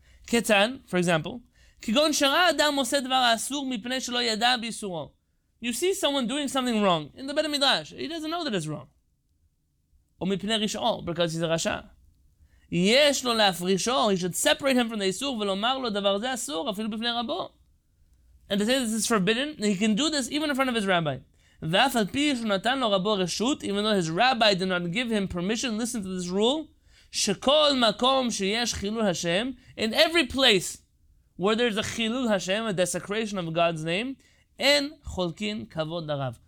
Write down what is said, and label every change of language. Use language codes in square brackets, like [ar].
[he] Ketan, [en] for example, [he] kigon shara adam oseh dvar asur mipnei shelo yada b'isuro. [en] You see someone doing something wrong in the Beit HaMidrash. He doesn't know that it's wrong. Or [he] mipnei rish'o, [en] because he's a rasha. [he] יש לו להפרישו, [en] he should separate him from the [he] איסור, ולומר לו, דבר זה אסור, אפילו בפני רבו. [en] And to say this is forbidden, he can do this even in front of his rabbi. [he] ואף על פי שנתן לו רבו רשות, [en] even though his rabbi did not give him permission, listen to this rule, [he] שכל מקום שיש חילול השם, [en] in every place where there's a חילול השם, a desecration of God's name, [he] אין חולקין כבוד לרב.